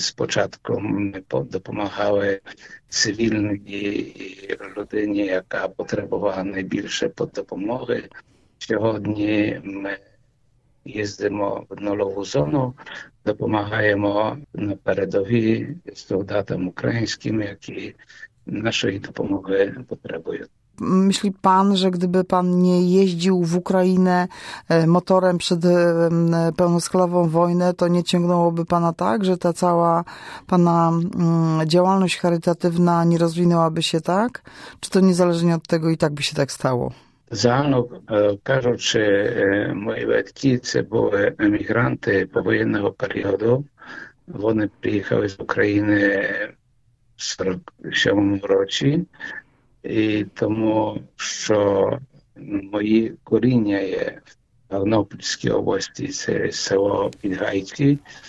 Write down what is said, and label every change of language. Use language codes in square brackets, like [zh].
[uk] Спочатку ми допомагали цивільній людині, яка потребувала найбільше допомоги. Сьогодні ми їздимо в нульову зону, допомагаємо на передовій солдатам українським, які нашої допомоги потребують. [pl] Myśli pan, że gdyby pan nie jeździł w Ukrainę motorem przed pełnoskalową wojnę, to nie ciągnąłoby pana tak, że ta cała pana działalność charytatywna nie rozwinęłaby się tak? Czy to niezależnie od tego i tak by się tak stało? [uk] Загально кажучи, мої батьки – це були емігранти повоєнного періоду. Вони приїхали з України в 47-му році. І тому, що мої коріння є в Тернопільській області, це село Підгайці.